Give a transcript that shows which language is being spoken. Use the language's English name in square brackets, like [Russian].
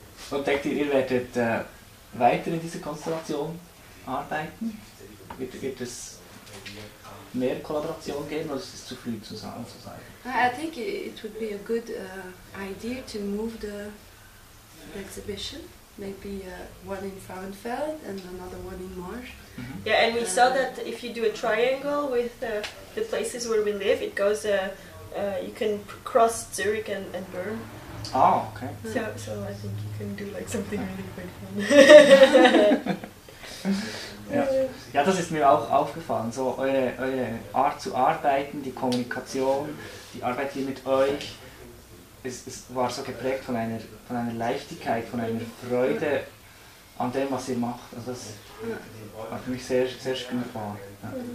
[German] Und denkt ihr, ihr werdet weiter in dieser Konstellation arbeiten? Wird es mehr Kollaboration geben, oder ist es zu früh zusammen zu sein? [English] I think it would be a good idea to move the exhibition. Maybe one in Frauenfeld and another one in Marsch. Mm-hmm. Yeah, and we saw that if you do a triangle with the places where we live, it goes, you can cross Zurich and Bern. Oh, okay. Mm-hmm. So I think you can do like something really quite fun. [German] Ja, das ist mir auch aufgefallen. So eure Art zu arbeiten, die Kommunikation, die Arbeit hier mit euch. Es war so geprägt von einer Leichtigkeit, von einer Freude an dem, was ihr macht. Also das war für mich sehr, sehr spürbar. Ja.